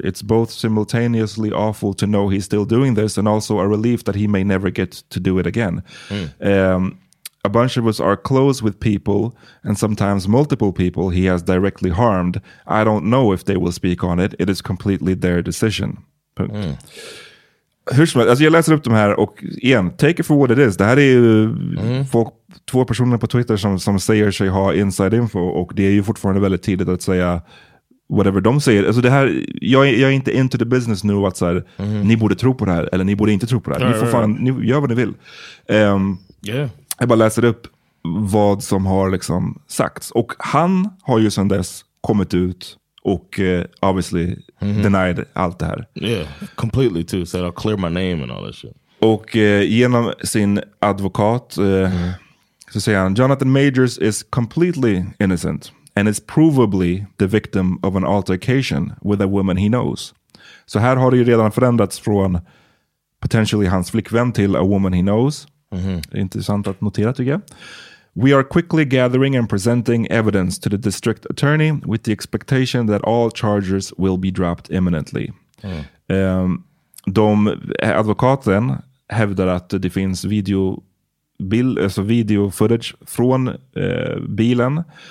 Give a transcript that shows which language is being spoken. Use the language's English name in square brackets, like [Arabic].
[English] It's both simultaneously awful to know he's still doing this and also a relief that he may never get to do it again. Mm. A bunch of us are close with people and sometimes multiple people he has directly harmed. I don't know if they will speak on it. It is completely their decision. [Swedish] Hur som helst, alltså jag läser upp de här och igen, [English] take it for what it is. [Swedish] Det här är ju två personer på Twitter som säger sig ha [English] inside info [Swedish] och det är ju fortfarande väldigt tidigt att säga whatever de säger. Alltså det här, jag är inte [English] into the business [Swedish] nu att så här, ni borde tro på det här eller ni borde inte tro på det här. Ni får fan, ni gör vad ni vill. [English] Yeah. [Swedish] Jag bara läser upp vad som har liksom sagts. Och han har ju sedan dess kommit ut och [English] obviously denied [Swedish] allt det här. [English] Yeah, completely too. Said I'll clear my name and all that shit. [Swedish] Och genom sin advokat så säger han, [English] Jonathan Majors is completely innocent and is provably the victim of an altercation with a woman he knows. [Swedish] Så här har det ju redan förändrats från potentially hans flickvän till [English] a woman he knows. Mm-hmm. [Swedish] Intressant att notera tycker jag. [English] We are quickly gathering and presenting evidence to the district attorney with the expectation that all charges will be dropped imminently. Mm. [Swedish] Advokaten hävdar att det finns video footage från bilen.